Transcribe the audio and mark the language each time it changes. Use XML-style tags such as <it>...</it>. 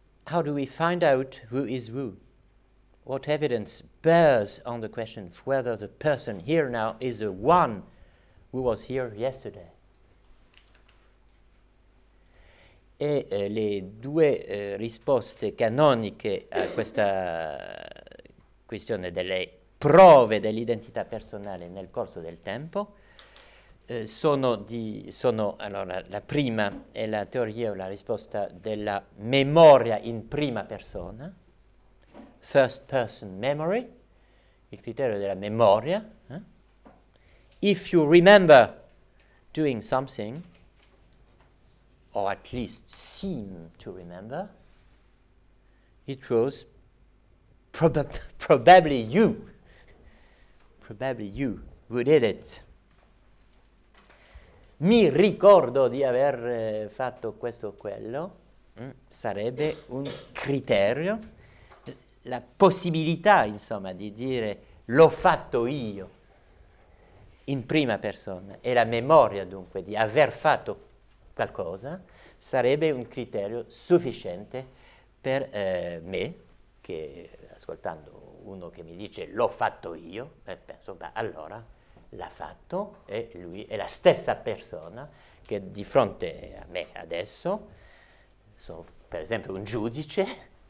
<en>How do we find out who is who? What evidence bears on the question of whether the person here now is the one who was here yesterday?</en> <it>E le due risposte canoniche a questa questione delle prove dell'identità personale nel corso del tempo sono allora la prima è la teoria o la risposta della memoria in prima persona,</it> <en>first person memory,</en> <it>il criterio della memoria.</it> <en>If you remember doing something, or at least seem to remember, it was probably you who did it.</en> <it>Mi ricordo di aver fatto questo o quello, sarebbe un criterio, la possibilità, insomma, di dire l'ho fatto io. In prima persona, e la memoria dunque di aver fatto qualcosa sarebbe un criterio sufficiente per me, che ascoltando uno che mi dice l'ho fatto io, penso, beh, allora l'ha fatto e lui è la stessa persona che di fronte a me adesso, sono per esempio un giudice,</it>